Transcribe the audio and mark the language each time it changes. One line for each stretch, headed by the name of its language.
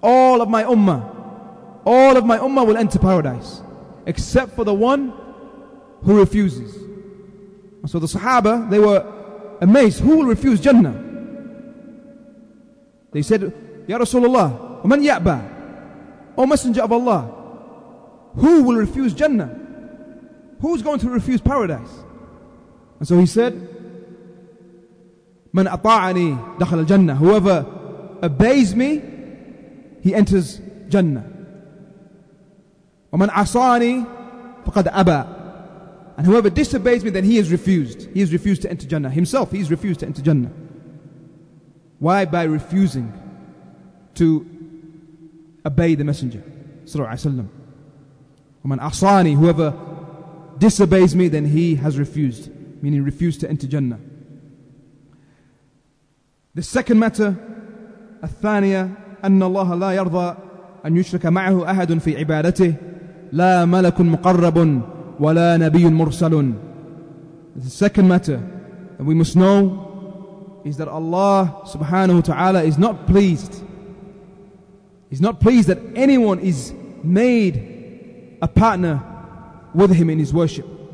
English: All of my ummah will enter paradise, except for the one who refuses. And so the Sahaba, they were amazed. Who will refuse Jannah? They said, Ya Rasulullah,
Arabic: ومن يأبى.
English: O Messenger of Allah, who will refuse Jannah? Who's going to refuse paradise? And so he said,
Arabic: من أطاعني دخل الجنة.
English: Whoever obeys me, he enters Jannah.
Arabic: ومن عصاني فقد أبى.
English: And whoever disobeys me, then he is refused. He is refused to enter Jannah. Himself, he is refused to enter Jannah. Why? By refusing to obey the messenger, sallallahu alaihi wasallam.
Arabic: ومن عصاني,
English: whoever disobeys me, then he has refused. Meaning refused to enter Jannah. The second matter,
Arabic: الثانية, أن الله لا يرضى أن يشرك معه أحد في عبادته لا ملك مقرب ولا نبي مرسل.
English: The second matter that we must know is that Allah subhanahu wa ta'ala is not pleased. He's not pleased that anyone is made a partner with him in his worship.